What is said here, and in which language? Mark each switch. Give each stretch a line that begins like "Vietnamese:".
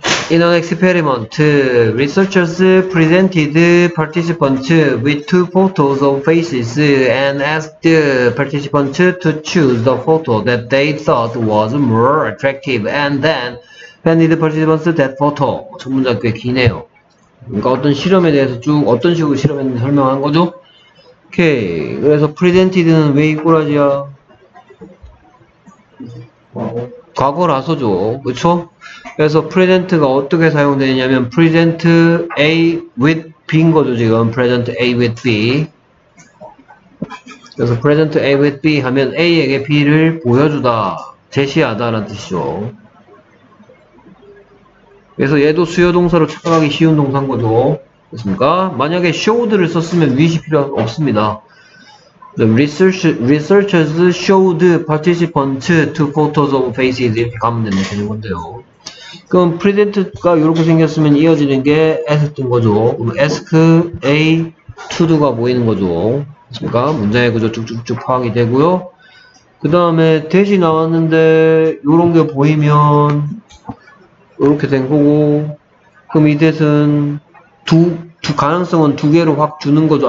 English: In an experiment, researchers presented participants with two photos of faces and asked participants to choose the photo that they thought was more attractive and then handed participants that photo.
Korean: 첫 문장 꽤 기네요. 그러니까 어떤 실험에 대해서 쭉 어떤 식으로 실험했는지 설명한 거죠? 오케이. 그래서 presented는 왜 이 꼬라지야? 과거 라서죠. 그쵸? 그래서 present가 어떻게 사용되냐면 present A with B인 거죠. 지금 present A with B. 그래서 present A with B 하면 A에게 B를 보여주다, 제시하다 라는 뜻이죠. 그래서 얘도 수요동사로 착각하기 쉬운 동사인 거죠. 됐습니까? 만약에 showed를 썼으면 with이 필요 없습니다.
English: The researchers showed participants two photos of faces.
Korean: 이렇게 가면 되는 되는 건데요. 그럼 present가 이렇게 생겼으면 이어지는 게 ask인 거죠. 그럼 ask A to do가 보이는 거죠. 됐습니까? 문장의 구조 쭉쭉쭉 파악이 되고요. 그 다음에 대시 나왔는데 이런 게 보이면 이렇게 된 거고, 그럼 이 뜻은 두 가능성은 두 개로 확 주는 거죠.